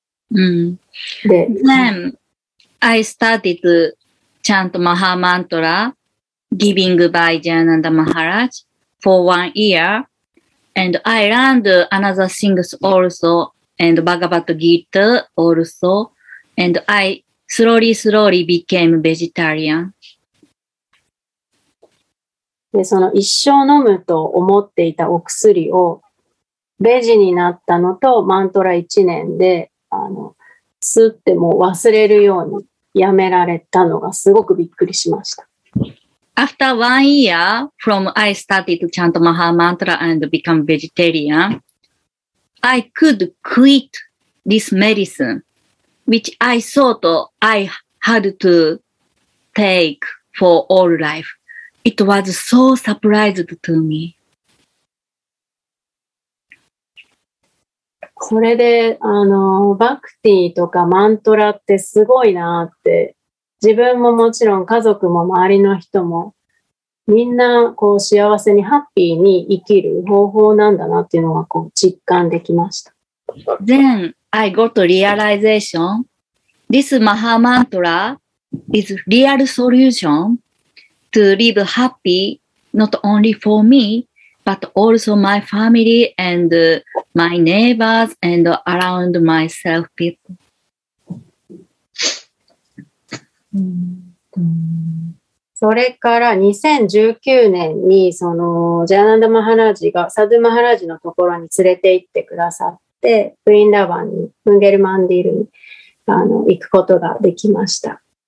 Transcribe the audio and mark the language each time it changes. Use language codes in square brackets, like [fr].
[en] Then I started to chant Maha Mantra giving by Jayananda Maharaj for 1 year and I learned another things also and Bhagavad Gita also and I slowly became vegetarian. [ja] で、その一生飲むと思っていたお薬をベジになったのとマントラ1年で、吸っても忘れるようにやめられたのがすごくびっくりしました。 [en] After 1 year from I started to chant Maha Mantra and become vegetarian, I could quit this medicine, which I thought I had to take for all life. It was so surprised to me. [ja] それで、バクティとかマントラってすごいなって、自分ももちろん家族も周りの人も、みんなこう幸せにハッピーに生きる方法なんだなっていうのはこう実感できました。 [en] Then I got realization. This Maha Mantra is real solution to live happy not only for me,But also my family and my neighbors and around myself people. [ja] それから2019年にそのジャナンダ・マハラジがサドゥ・マハラジのところに連れて行ってくださって、ブリンダバンに、ムンゲルマンディールに行くことができました。